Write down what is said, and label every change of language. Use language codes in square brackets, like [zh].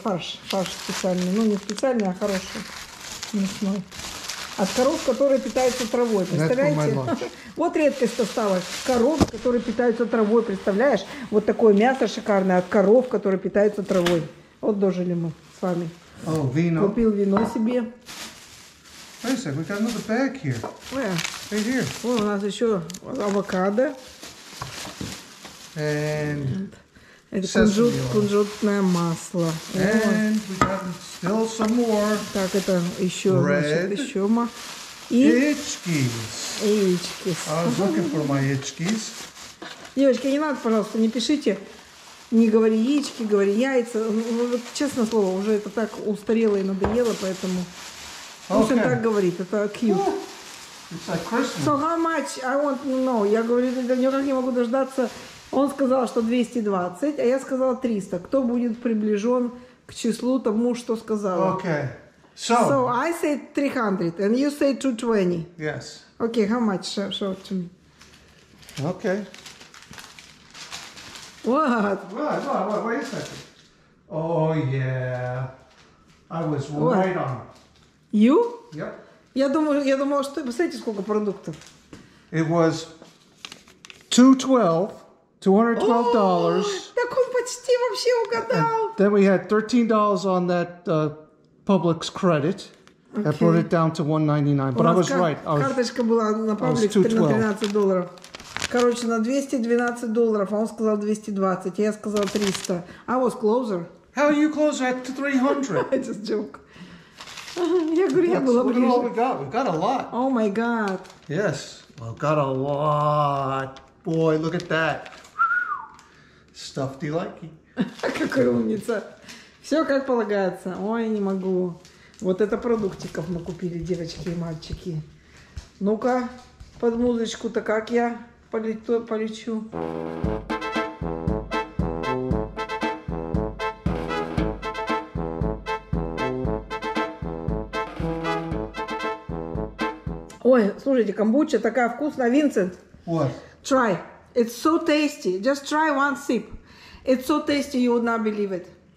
[ru] Короче, этот фарш специальный. Ну, не специальный, а хороший. Мясной. От коров, которые питаются травой, представляете? Вот редкость осталась. Коров, которые питаются травой, представляешь? Вот такое мясо шикарное от коров, которые питаются травой. Вот дожили мы с вами. О, вино. Купил вино себе. [en] Wait a second, we got another bag here. Where? Right here. [ru] Вон у нас еще авокадо. [en] And [ru] это кунжутное масло. [en] And we have still some more. [ru] Так, это еще, [en] red [ru] значит, еще ма. Яичкис. Яичкис. [en] I was looking for my яичкис. [ru] Девочки, не надо, пожалуйста, не пишите. Не говори яички, говори яйца. Вот, честное слово, уже это так устарело и надоело, поэтому... [en] Okay. [ru] Пусть он так говорит, это cute. [en] It's like Christmas. So how much? I want to know. [ru] Я говорю, я никак не могу дождаться... Он сказал, что 220, а я сказала 300. Кто будет приближен к числу тому, что сказал? [en] Okay. So, so I said 300, and you said 220. Yes. Okay, how much? Show it to me. Okay. What? Wait a second. Oh, yeah. I was what? Right on. You? Yep. [ru] Я думала, что... Посмотрите, сколько продуктов. [en] It was 212. $212. [ru] Oh, так он почти вообще угадал. [en] And then we had $13 on that Publix credit. Okay. That brought it down to $199. But I was right. I was, [ru] карточка была на Publix $13. Короче, на $212, а он сказал 220, я сказал 300. [en] I was closer. How are you closer at 300? I just joke. [ru] Я говорю, я была ближе. [en] What all we got? We got a lot. Oh my God. Yes, we got a lot. Boy, look at that. Stuff do you like? [ru] Какой умница. Все как полагается. Ой, не могу. Вот это продуктиков мы купили, девочки и мальчики. Ну-ка, под музычку-то как я полечу? Ой, слушайте, камбуча такая вкусная. Винсент, [en] what? Try. It's so tasty. Just try one sip. It's so tasty, you would not believe it.